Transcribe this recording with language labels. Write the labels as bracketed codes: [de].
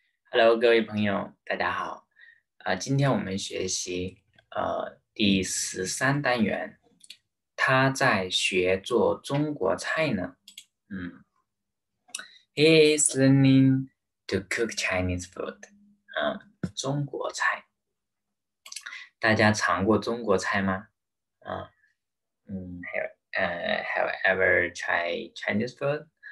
[zh] Hello，各位朋友，大家好。今天我们学习第13单元，他在学做中国菜呢。 [en] He is learning to cook Chinese food。 [zh] 中国菜，大家尝过中国菜吗？ [en] Have ever tried Chinese food？